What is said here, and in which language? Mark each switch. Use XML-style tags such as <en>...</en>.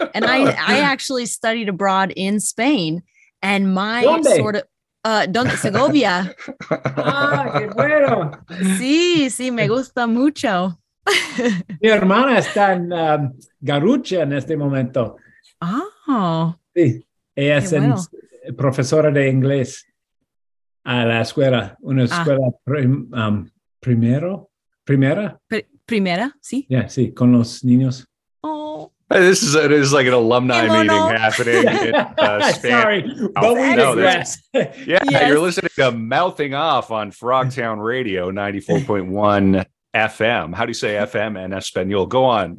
<en>And I actually studied abroad in Spain, and my sort of Segovia.</en> <es>Ah, qué bueno. Sí, me gusta mucho. Mi hermana está en Garucha en este momento. Oh. Sí. Ella es profesora de inglés a la escuela, una escuela primera. Primera, sí. Yeah, sí, con los niños. Oh.</es> <en>Hey, this is like an alumni meeting happening in Spain. Sorry, but we digress. Yeah, yes. You're listening to Mouthing Off on Frogtown Radio 94.1 FM. How do you say FM</en> <es>en Espanol?</es> <en>Go on.</en>